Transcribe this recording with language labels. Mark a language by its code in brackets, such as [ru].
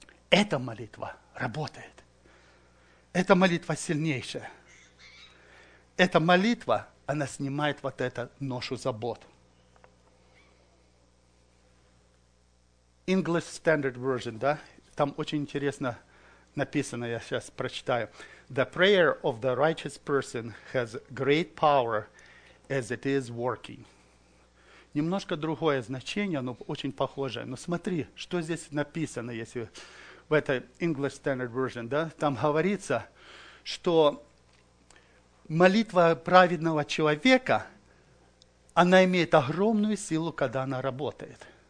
[ru] Эта молитва работает. Эта молитва сильнейшая. Эта молитва, она снимает вот эту ношу забот. English Standard Version, да? Там очень интересно написано, я сейчас прочитаю. [en] The prayer of the righteous person has great power as it is working. [ru] Немножко другое значение, но очень похожее. Но смотри, что здесь написано, если... В этой English Standard Version, да, там говорится, что молитва праведного человека, она имеет огромную силу, когда она работает.